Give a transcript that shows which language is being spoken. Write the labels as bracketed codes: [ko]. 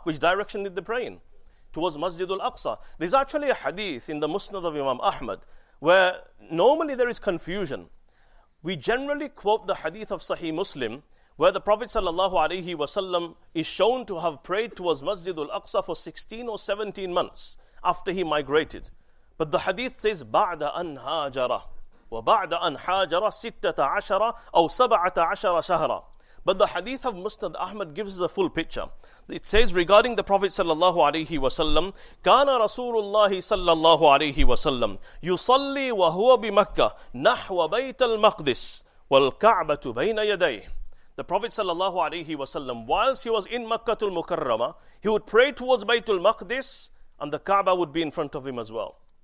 [en] Which direction did they pray in? Towards Masjid al-Aqsa. There's actually a hadith in the Musnad of Imam Ahmad where normally there is confusion. We generally quote the hadith of Sahih Muslim where the Prophet sallallahu alayhi wa sallam is shown to have prayed towards Masjid al-Aqsa for 16 or 17 months after he migrated. But the hadith says, [ar] بَعْدَ أَنْ هَاجَرَ وَبَعْدَ أَنْ هَاجَرَ سِتَّةَ عَشَرَ أَوْ سَبَعَةَ عَشَرَ شَهْرًا. [en] But the hadith of Musnad Ahmad gives us a full picture. It says, regarding the Prophet sallallahu alayhi wa sallam, [ar] كَانَ رَسُولُ اللَّهِ [en] sallallahu alayhi wa sallam [ar] يُصَلِّي وَهُوَ بِمَكَّةَ نَحْوَ بَيْتَ الْمَقْدِسِ وَالْكَعْبَةُ بَيْنَ يَدَيْهِ. [en] The Prophet sallallahu alayhi wa sallam, whilst he was in Makkah al-Mukarramah, he would pray towards Baytul Maqdis and the Kaaba would be in front of him as well.